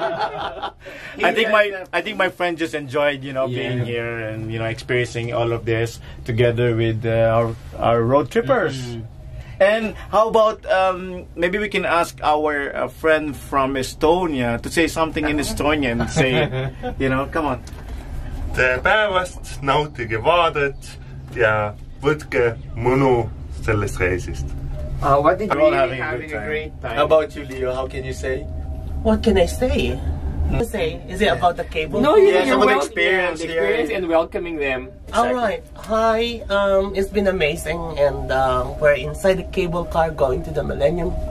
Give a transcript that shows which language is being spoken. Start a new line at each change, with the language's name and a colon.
English: I think my friend just enjoyed, you know, being here and, you know, experiencing all of this together with our road trippers. Mm-hmm. And how about maybe we can ask our friend from Estonia to say something in Estonian? Say, you know, come on.
Estonian: Tere päevast, nautige vaadet ja võtke mõnu sellest reisist.
English: What did you really having a great time? How about you, Leo? How can you say? What can I say? Say, is it about the cable? No, experience and welcoming them. Alright, hi, it's been amazing and we're inside the cable car going to the Millennium